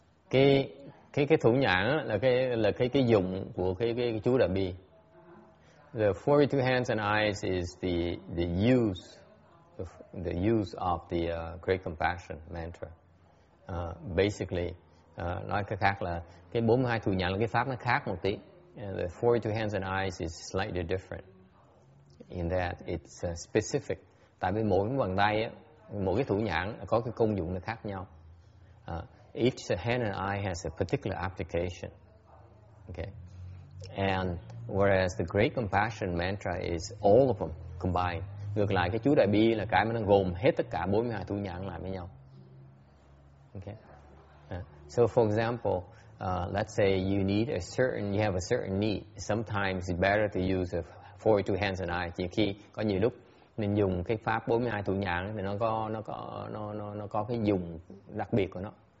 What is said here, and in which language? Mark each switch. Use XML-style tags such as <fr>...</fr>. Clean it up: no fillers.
<vi>Cái thủ nhãn là cái dụng của cái chú đại bi.</vi> <en>The 42 hands and eyes is the use of the great compassion mantra.</en> <vi>Basically, nói cách khác là cái 42 thủ nhãn là cái pháp nó khác một tí.</vi> <en>The 42 hands and eyes is slightly different in that it's specific.</en> <vi>Tại vì mỗi bàn tay mỗi cái thủ nhãn có cái công dụng nó khác nhau.</vi> <en>Each hand and eye has a particular application. Okay. And whereas the great compassion mantra is all of them combined.</en> <vi>Ngược lại cái chú đại bi là cái mà nó gồm hết tất cả 42 thủ nhãn lại với nhau.</vi> <en>Okay. So for example, let's say you have a certain need. Sometimes it's better to use the 42 hands and eyes.</en> <vi>Chỉ khi có nhiều lúc nên dùng cái pháp 42 thủ nhãn thì nó có cái dùng đặc biệt của nó.</vi>